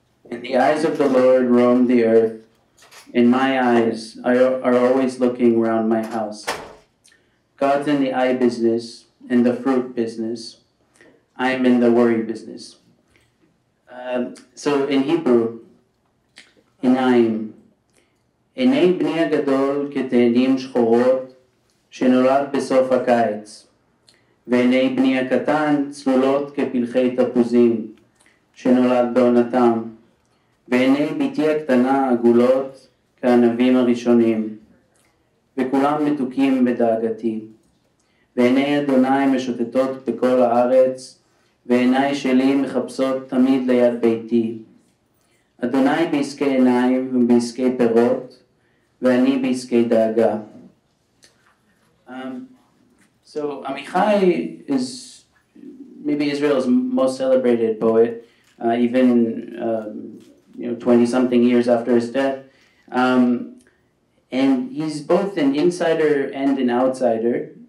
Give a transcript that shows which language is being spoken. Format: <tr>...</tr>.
<en>And the eyes of the Lord roam the earth, and my eyes are always looking round my house. God's in the eye business, in the fruit business. I'm in the worry business. So in Hebrew, עיניים.</en> <he>עיני בני הגדול כתהלים שחורות שנולד בסוף הקיץ, ועיני בני הקטן צלולות כפלחי תפוזים שנולד בעונתם, ועיני ביתי הקטנה עגולות כענבים הראשונים, וכולם מתוקים בדאגתי, ועיני אדוני משוטטות בכל הארץ, ועיני שלי מחפשות תמיד ליד ביתי. אדוני בעסקי עיניים ובעסקי פירות, ואני בעסקי דאגה.</he> <en>So Amichai is maybe Israel's most celebrated poet, even 20-something years after his death. And he's both an insider and an outsider.</en>